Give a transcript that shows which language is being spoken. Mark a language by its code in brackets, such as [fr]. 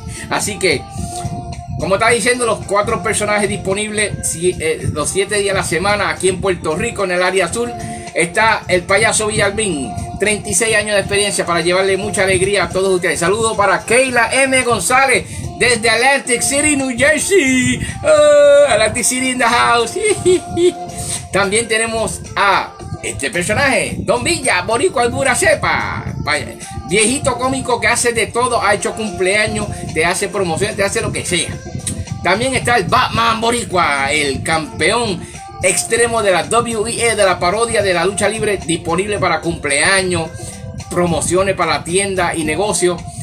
[es] Así que, como estaba diciendo, los 4 personajes disponibles los 7 días de la semana aquí en Puerto Rico, en el área azul. está el payaso Villalmín, 36 años de experiencia para llevarle mucha alegría a todos ustedes. Saludos para Keila M. González desde Atlantic City, New Jersey. [en] Oh, Atlantic City in the house. [es] También tenemos a este personaje, Don Villa, boricua de pura cepa. Viejito cómico que hace de todo, ha hecho cumpleaños, te hace promociones, te hace lo que sea. También está el Batman boricua, el campeón extremo de la WWE, de la parodia de la lucha libre, disponible para cumpleaños, promociones para tienda y negocio.